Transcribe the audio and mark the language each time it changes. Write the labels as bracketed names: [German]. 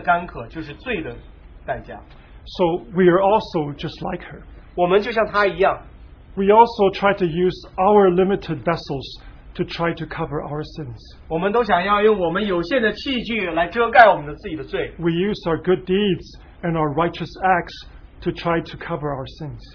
[Chinese] 但是她知道这个有限的器具不能够止住她里面的干渴,就是罪的代价。 [English] So we are also just like her. [Chinese] 我们就像她一样。 [English] We also try to use our limited vessels to try to cover our sins. [Chinese] 我们都想要用我们有限的器具来遮盖我们自己的罪。 [English] We use our good deeds and our righteous acts to try to cover our sins.